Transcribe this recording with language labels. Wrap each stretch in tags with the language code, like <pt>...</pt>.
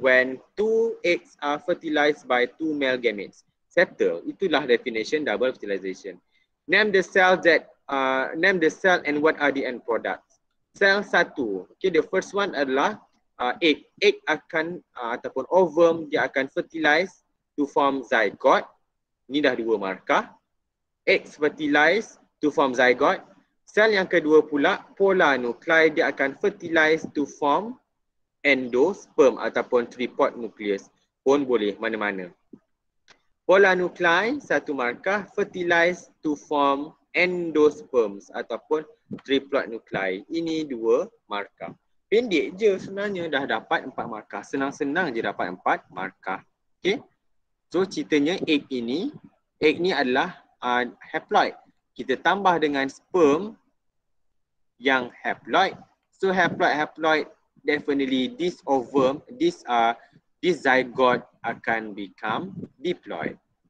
<en>When two eggs are fertilized by two male gametes. Settle. Itulah definition double fertilization. Name the cell that name the cell and what are the end products.</en> <ms>Cell satu.</ms> <en>Okay, the first one adalah egg.</en> <ms>Egg akan ataupun ovum dia akan fertilize to form zygote. Ini dah dua markah. Eggs fertilize to form zygote. Cell yang kedua pula, polynuclei dia akan fertilize to form endosperm ataupun tripod nucleus. Pun boleh mana-mana. Polynuclei satu markah, fertilize to form endosperms ataupun triploid nuclei. Ini dua markah. Pendek je sebenarnya dah dapat empat markah. Senang-senang je dapat empat markah. Okay. So ceritanya egg ni adalah haploid. Kita tambah dengan sperm yang haploid.</ms> <en>So haploid definitely this ovum, this zygote akan become diploid.</en>